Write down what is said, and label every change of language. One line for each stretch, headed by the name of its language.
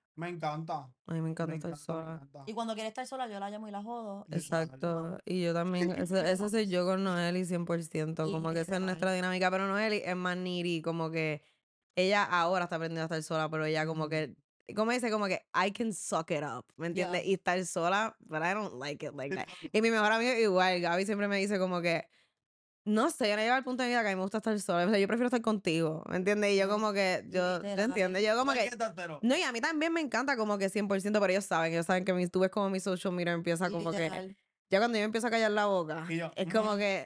Spanish: Me encanta. A mí me encanta estar sola. Y cuando quiere estar sola, yo la llamo y la jodo. Exacto. Y yo también. Ese soy yo con Noeli 100%. Como que esa es nuestra dinámica. Pero Noeli es más needy. Como que ella ahora está aprendiendo a estar sola, pero ella como que... Como dice, como que,
English: I can suck it up,
Spanish: ¿me entiendes?
English: Yeah.
Spanish: Y estar sola,
English: but I don't like it like that.
Spanish: Y mi mejor amigo igual, Gaby, siempre me dice como que... No sé, yo no llego al punto de vida que a mí me gusta estar sola. O sea, yo prefiero estar contigo, ¿me entiendes? Y yo como que, yo, ¿te entiendes? Yo como que, no, y a mí también me encanta como que 100%, pero ellos saben que mi, tú ves como mi social media empieza como que, ya cuando yo empiezo a callar la boca, es como que...